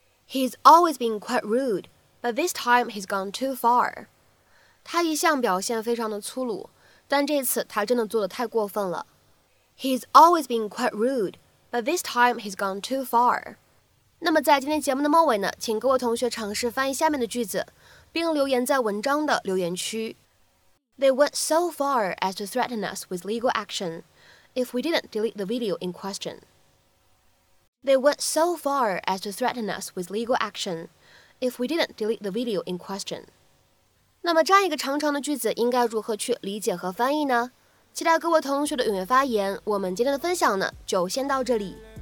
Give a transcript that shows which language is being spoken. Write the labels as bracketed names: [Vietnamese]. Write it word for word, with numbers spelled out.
[English] He's always been quite rude. But this time he's gone too far. [Chinese] 他一向表现非常的粗鲁，但这次他真的做得太过分了。 [English] He's always been quite rude, but this time he's gone too far. [Chinese] 那么在今天节目的末尾呢，请各位同学尝试翻译下面的句子，并留言在文章的留言区。 [English] They went so far as to threaten us with legal action if we didn't delete the video in question. They went so far as to threaten us with legal action. If we didn't delete the video in question. [Chinese] 那么这样一个长长的句子应该如何去理解和翻译呢？期待各位同学的踊跃发言。我们今天的分享呢，就先到这里。